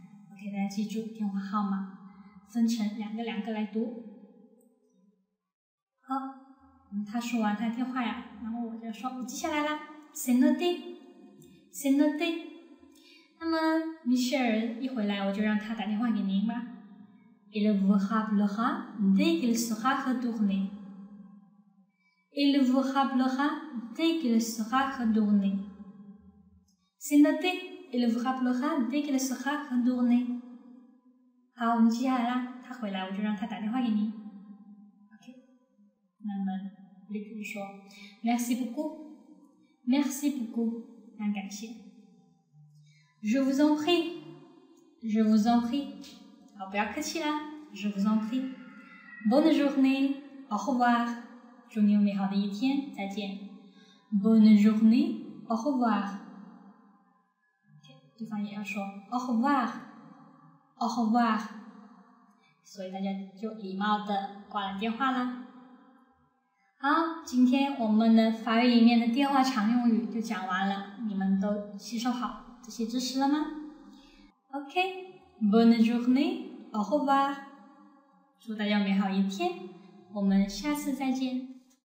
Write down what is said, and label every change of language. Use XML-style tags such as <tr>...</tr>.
<zh>OK， 大家记住电话号码，分成两个两个来读。好。他说完他电话呀，然后我就说我记下来了 ，</zh> <fr>c'est noté, c'est noté。</fr> <zh>那么米歇尔一回来，我就让他打电话给您吧。</zh> <fr>Il vous rappellera dès qu'il sera retourné. Il vous rappellera dès qu'il sera retourné. C'est noté. Il vous rappellera dès qu'il sera retourné.</fr> <zh>好，我们记下来了。他回来，我就让他打电话给您。 OK， 那么。</zh> <fr>Luc lui dit merci beaucoup, merci beaucoup, un gâchis. Je vous en prie, je vous en prie. Alors, pas de soucis là, je vous en prie. Bonne journée, au revoir. Journée au meilleur de la journée,</fr> <zh>再见.</zh> <fr>Bonne journée, au revoir. Ok,</fr> <zh>对方也要说</zh> <fr>au revoir, au revoir.</fr> <zh>所以大家就礼貌的挂了电话啦。好，今天我们的法语里面的电话常用语就讲完了，你们都吸收好这些知识了吗？ OK，</zh> <fr>Bonne journée， Au revoir，</fr> <zh>祝大家美好一天，我们下次再见。</zh>